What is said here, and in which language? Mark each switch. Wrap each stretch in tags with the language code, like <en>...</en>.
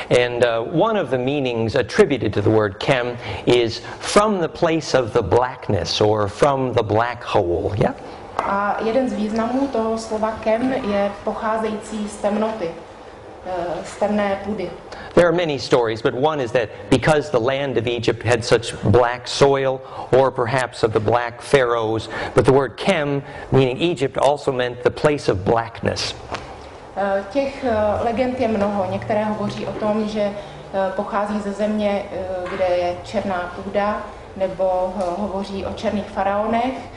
<en>And one of the meanings attributed to the word chem is from the place of the blackness or from the black hole. Yeah?</en> <cs>A jeden z významů toho slova chem je pocházející z temnoty, z temné půdy.</cs> <en>There are many stories, but one is that because the land of Egypt had such black soil, or perhaps of the black pharaohs, but the word chem, meaning Egypt, also meant the place of blackness.</en> <cs>Těch legend je mnoho. Některé hovoří o tom, že pochází ze země, kde je černá půda, nebo hovoří o černých faraonech.</cs>